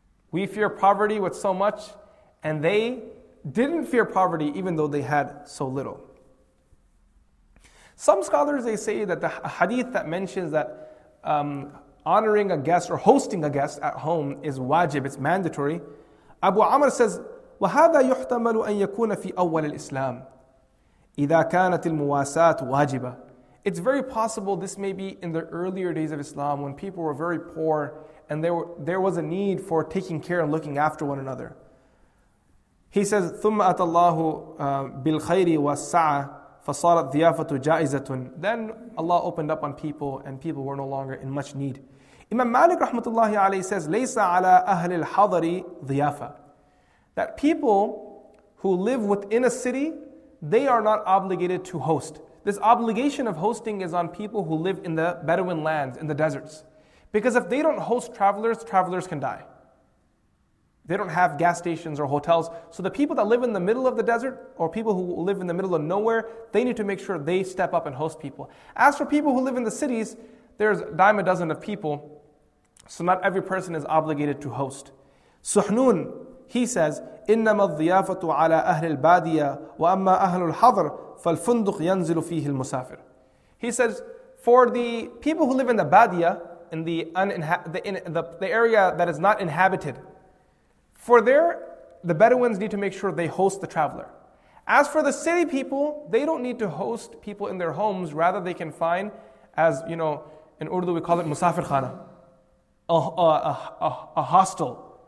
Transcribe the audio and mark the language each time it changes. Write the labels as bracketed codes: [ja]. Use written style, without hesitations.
[en] We fear poverty with so much, and they didn't fear poverty even though they had so little. Some scholars, they say that the hadith that mentions that honoring a guest or hosting a guest at home is wajib, it's mandatory. Abu Amr says, [ar] وَهَذَا يُحْتَمَلُ أَن يَكُونَ فِي أَوَّلِ الْإِسْلَامِ إِذَا كَانَتِ الْمُوَاسَاتُ وَاجِبًا. [en] It's very possible this may be in the earlier days of Islam when people were very poor and there was a need for taking care and looking after one another. He says, [ar] ثُمَّ أَتَى اللَّهُ بِالْخَيْرِ وَالسَّعَى فَصَارَتْ ذِيَافَةُ جَائِزَةٌ. [en] Then Allah opened up on people and people were no longer in much need. Imam Malik rahmatullahi alayhi says, [ar] لَيْسَ عَلَىٰ أَهْلِ الْحَضَرِ ذِيَافَةٌ. [en] That people who live within a city, they are not obligated to host. This obligation of hosting is on people who live in the Bedouin lands, in the deserts. Because if they don't host travelers, travelers can die. They don't have gas stations or hotels. So the people that live in the middle of the desert, or people who live in the middle of nowhere, they need to make sure they step up and host people. As for people who live in the cities, there's a dime a dozen of people. So not every person is obligated to host. Suhnun, he says, [ar] إِنَّمَا الضِّيَافَةُ عَلَىٰ أَهْلِ الْبَادِيَةِ وَأَمَّا أَهْلُ الْحَضْرِ فَالْفُنْدُقْ يَنْزِلُ فِيهِ الْمُسَافِرِ. [en] He says, for the people who live in the Badia, in the area that is not inhabited, for there, the Bedouins need to make sure they host the traveler. As for the city people, they don't need to host people in their homes, rather they can find, as you know, in Urdu we call it musafir khana, a hostel.